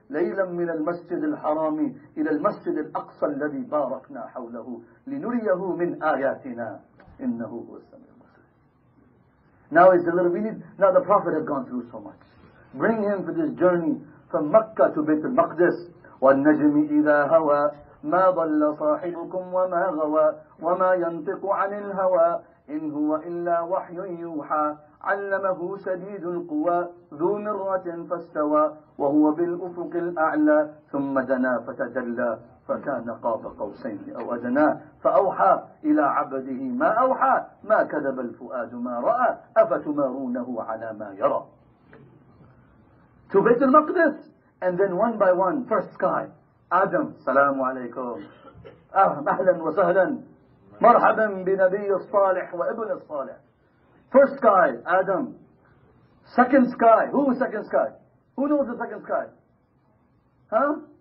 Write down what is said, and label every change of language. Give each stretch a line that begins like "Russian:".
Arabic: ليلا من المسجد الحرام الى المسجد الاقصى الذي باركنا حوله لنريه من اياتنا انه هو السميع البصير.
English: Now it's a little bit. Now the Prophet has gone through so much. Bring him for this journey from Makkah to Bayt al-Maqdis.
Arabic: والنجم اذا هوى ما ضل صاحبكم وما غوى وما ينطق عن الهوى ان هو الا وحي يوحى علمه شديد القوى ذو مرة فاستوى وهو بالأفق الأعلى ثم دنا فتجلى فكان قاب قوسين أو أدنى فأوحى إلى عبده ما أوحى ما كذب الفؤاد ما رأى أفتمارونه على ما يرى.
English: To Bayt al-Maqdis, and then one by one, first sky, Adam,
Arabic: السلام عليكم, أهلا وسهلا, مرحبا بنبي الصالح وابن الصالح.
English: First sky, Adam. Second sky, who is second sky? Who knows the second sky? Huh?